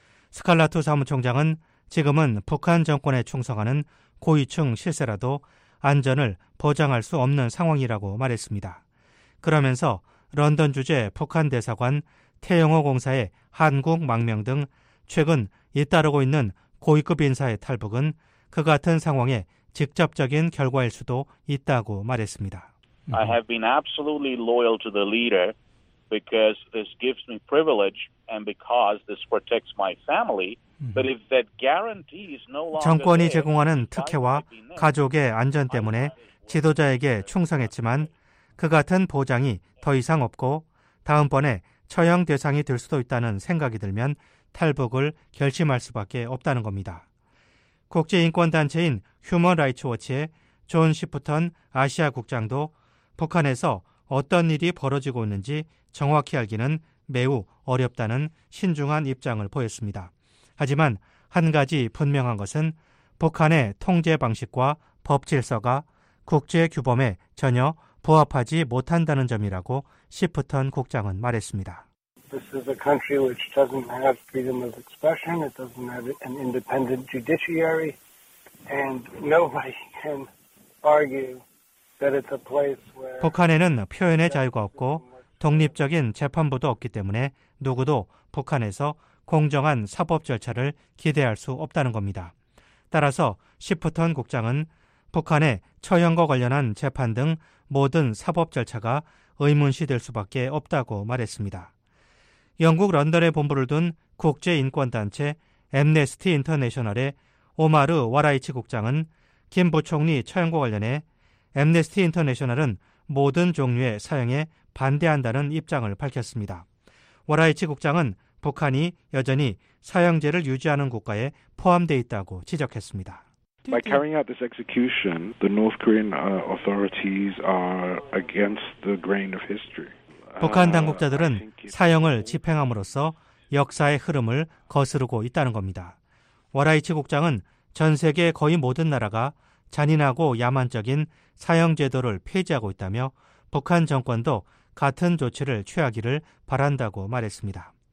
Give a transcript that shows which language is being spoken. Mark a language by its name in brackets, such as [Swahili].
[Korean] 스칼라투 사무총장은 지금은 북한 정권에 충성하는 고위층 실세라도 안전을 보장할 수 없는 상황이라고 말했습니다. 그러면서 런던 주재 북한 대사관 태영호 공사의 한국 망명 등 최근 잇따르고 있는 고위급 인사의 탈북은 그 같은 상황에 직접적인 결과일 수도 있다고 말했습니다. [English] I have been absolutely loyal to the leader because this gives me privilege and because this protects my family. But if that guarantee is no longer [Korean] 정권이 제공하는 특혜와 가족의 안전 때문에 지도자에게 충성했지만 그 같은 보장이 더 이상 없고 다음번에 처형 대상이 될 수도 있다는 생각이 들면 탈북을 결심할 수밖에 없다는 겁니다. 국제인권단체인 휴먼 라이츠 워치의 존 시프턴 아시아 국장도 북한에서 어떤 일이 벌어지고 있는지 정확히 알기는 매우 어렵다는 신중한 입장을 보였습니다. 하지만 한 가지 분명한 것은 북한의 통제 방식과 법 질서가 국제 규범에 전혀 부합하지 못한다는 점이라고 시프턴 국장은 말했습니다. [English] This is a country which doesn't have freedom of expression. It doesn't have an independent judiciary, and nobody can argue that it's a place where [Korean] 북한에는 표현의 자유가 없고 독립적인 재판부도 없기 때문에 누구도 북한에서 공정한 사법 절차를 기대할 수 없다는 겁니다. 따라서 시프턴 국장은 북한의 처형과 관련한 재판 등 모든 사법 절차가 의문시될 수밖에 없다고 말했습니다. 영국 런던에 본부를 둔 국제인권단체 엠네스티 인터내셔널의 오마르 와라이치 국장은 김 부총리 처형과 관련해 엠네스티 인터내셔널은 모든 종류의 사형에 반대한다는 입장을 밝혔습니다. 와라이치 국장은 북한이 여전히 사형제를 유지하는 국가에 포함되어 있다고 지적했습니다. [English] By carrying out this execution, the North Korean authorities are against the grain of history. [Korean] 북한 당국자들은 사형을 집행함으로써 역사의 흐름을 거스르고 있다는 겁니다. 와라이치 국장은 전 세계 거의 모든 나라가 잔인하고 야만적인 사형 제도를 폐지하고 있다며 북한 정권도 같은 조치를 취하기를 바란다고 말했습니다.